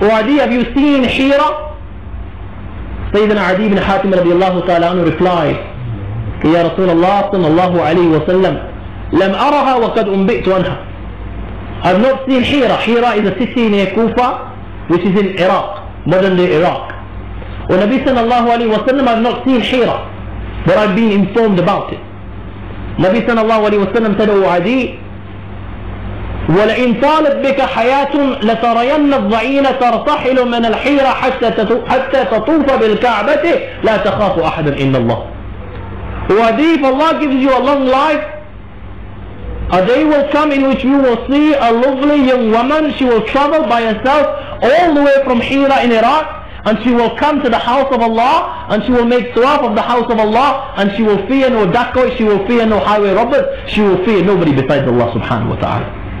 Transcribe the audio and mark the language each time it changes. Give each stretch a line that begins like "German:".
English: "Oh Adi, have you seen Hira?" Sayyidina Adi ibn Hatim radiallahu ta'ala anhu replied, "Ya Rasulullah sallallahu alayhi wa sallam,
Arabic: lam araha wa kad unbi'tu anha."
English: "I have not seen Hira." Hira is a city in Kufa, which is in Iraq, modern day Iraq. "Oh Nabi sallallahu alayhi wa sallam, I have not seen Hira, but I've been informed about it."
Arabic: Nabi sallallahu alayhi wa sallam
English: said,
Arabic: "Oh Adi, ولئن طالت بك حياة لترين الضعين ترتحل من الحيرة حتى تطوف بالكعبة لا تخاف أحدا إن الله."
English: "Wadi, if Allah gives you a long life, a day will come in which you will see a lovely young woman. She will travel by herself all the way from Hira in Iraq, and she will come to the house of Allah, and she will make tawaf of the house of Allah, and she will fear no dacoits, she will fear no highway robbers, she will fear nobody besides Allah subhanahu wa ta'ala."